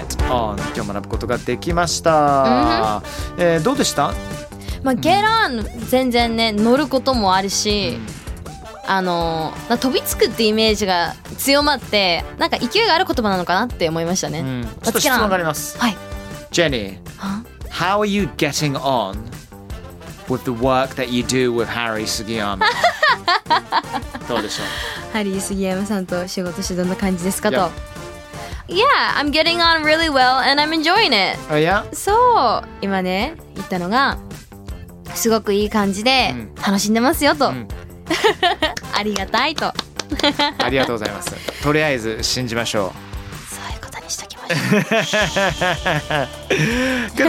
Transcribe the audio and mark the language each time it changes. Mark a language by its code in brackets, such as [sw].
[ja] on 今日学ぶことができました、うんどうでした、まあ、get on 全然ね乗ることもあるし、うん、あの飛びつくってイメージが強まってなんか勢いがある言葉なのかなって思いましたね、うん、ちょっと質問があります、はい、 [en] Jenny How are you getting on with the work that you do with Harry Sugiyama [ja] どうでしょうハリー杉山さんと仕事してどんな感じですかと、yep. [en] Yeah, I'm getting on really well and I'm enjoying it. Oh, yeah? [ja] そう、今ね、言ったのがすごくいい感じで楽しんでますよと、うん、ありがたいとありがとうございます。とりあえず信じましょう。そういうことにしときましょう。